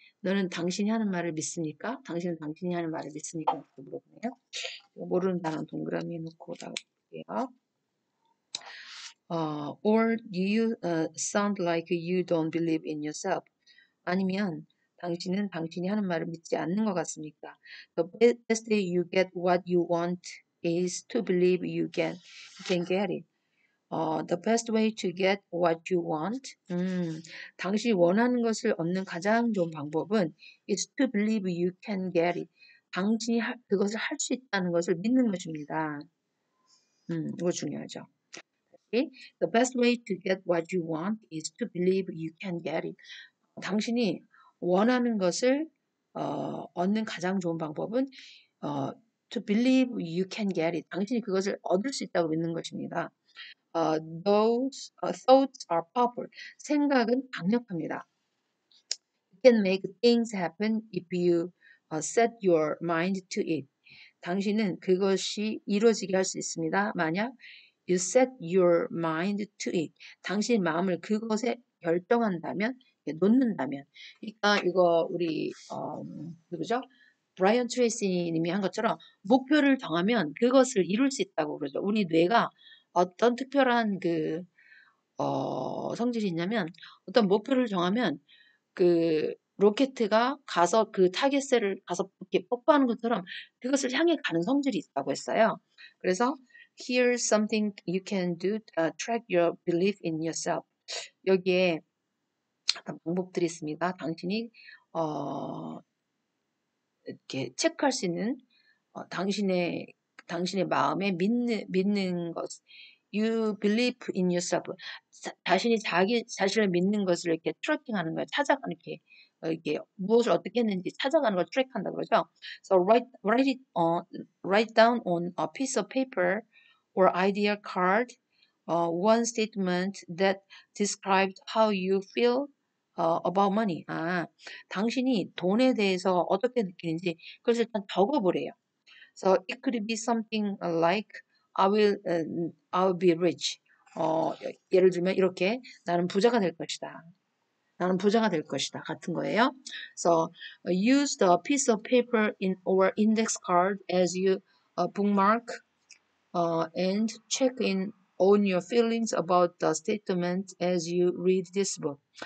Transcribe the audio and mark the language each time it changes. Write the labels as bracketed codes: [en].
[ko] 너는 당신이 하는 말을 믿습니까? 당신은 당신이 하는 말을 믿습니까? 물어보네요. 모르는 단어 동그라미 해놓고 나올게요. [en] Or do you sound like you don't believe in yourself? [ko] 아니면 당신은 당신이 하는 말을 믿지 않는 것 같습니까? [en] The best day you get what you want is to believe you can get it. The best way to get what you want, [ko] 당신이 원하는 것을 얻는 가장 좋은 방법은 [en] is to believe you can get it. [ko] 당신이 그것을 할 수 있다는 것을 믿는 것입니다. 이거 중요하죠. Okay? [en] The best way to get what you want is to believe you can get it. [ko] 당신이 원하는 것을 얻는 가장 좋은 방법은 [en] to believe you can get it. [ko] 당신이 그것을 얻을 수 있다고 믿는 것입니다. [en] Those thoughts are powerful. [ko] 생각은 강력합니다. [en] You can make things happen if you set your mind to it. [ko] 당신은 그것이 이루어지게 할 수 있습니다. 만약 [en] you set your mind to it. [ko] 당신의 마음을 그것에 결정한다면 놓는다면, 그러니까 이거 우리 누구죠? 브라이언 트레이시님이 한 것처럼 목표를 정하면 그것을 이룰 수 있다고 그러죠. 우리 뇌가 어떤 특별한 그 성질이 있냐면 어떤 목표를 정하면 그 로켓트가 가서 그 타겟셀을 가서 이렇게 뽀뽀하는 것처럼 그것을 향해 가는 성질이 있다고 했어요. 그래서 [en] here's something you can do to track your belief in yourself. [ko] 여기에 방법들이 있습니다. 당신이 이렇게 체크할 수 있는 당신의 마음에 믿는 것, [en] you believe in yourself. [ko] 자신이 자기 자신을 믿는 것을 이렇게 트래킹하는 거예요. 찾아가는 이렇게 무엇을 어떻게 했는지 찾아가는 걸 트랙한다 그러죠. [en] So write down on a piece of paper or idea card one statement that describes how you feel. About money. [ko] 당신이 돈에 대해서 어떻게 느끼는지 그것을 일단 적어보래요. [en] So it could be something like I'll be rich. [ko] 예를 들면 이렇게 나는 부자가 될 것이다. 나는 부자가 될 것이다. 같은 거예요. [en] So use the piece of paper in or index card as you bookmark and check in on your feelings about the statement as you read this book.